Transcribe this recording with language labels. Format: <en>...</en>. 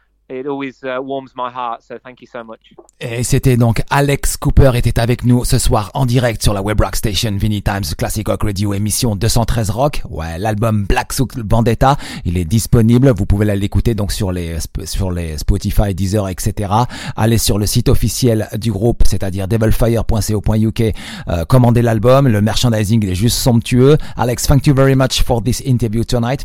<en>It always warms my heart, so thank you so much.</en> <fr>Et c'était donc Alex Cooper était avec nous ce soir en direct sur la Web Rock Station Vinnie Times Classic Rock Radio émission 213 Rock. Ouais, l'album Black Soul Vendetta, il est disponible. Vous pouvez aller l'écouter donc sur les Spotify, Deezer, etc. Allez sur le site officiel du groupe, c'est-à-dire devilfire.co.uk, commandez l'album. Le merchandising est juste somptueux.</fr> <en>Alex, thank you very much for this interview tonight.</en>